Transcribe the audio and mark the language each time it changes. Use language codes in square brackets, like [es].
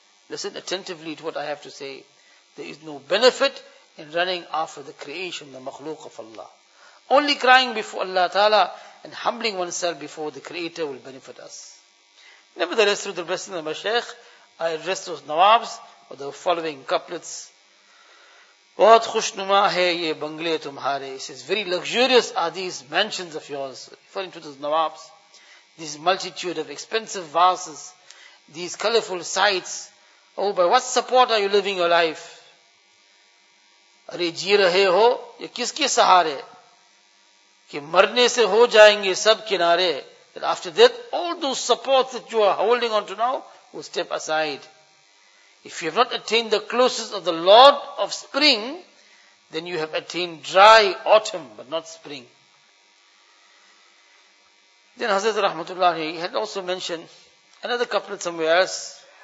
[en] Listen attentively to what I have to say. There is no benefit in running after the creation, the makhluq of Allah. Only crying before Allah Ta'ala and humbling oneself before the Creator will benefit us. Nevertheless, through the blessing of my Shaykh, I addressed those Nawabs with the following couplets. [ur] بہت خوشنما ہے یہ بنگلے تمہارے. [en] It says, very luxurious are these mansions of yours, referring to those Nawabs. This multitude of expensive vases, these colorful sights. Oh, by what support are you living your life? [ur] ارے جی رہے ہو یہ کس کے سہارے کہ مرنے سے ہو جائیں گے سب کنارے. [en] That after death, all those supports that you are holding on to now will step aside. If you have not attained the closeness of the Lord of spring, then you have attained dry autumn, but not spring. Then Hazrat Rahmatullah, he had also mentioned another couplet somewhere else.